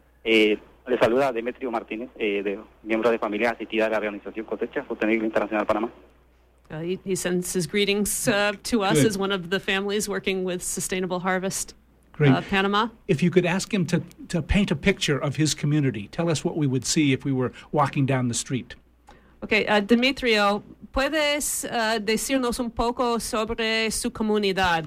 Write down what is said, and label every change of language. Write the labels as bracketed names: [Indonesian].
[Spanish] Le saluda Demetrio Martínez, miembro de familia asistida de la organización Cosecha Sostenible Internacional Panamá. [English] He sends his greetings to us. Good. As one of the families working with Sustainable Harvest. Great. Panama. If you could ask him to paint a picture of his community, tell us what we would see if we were walking down the street. [Spanish] Okay, Demetrio, ¿puedes decirnos un poco sobre su comunidad?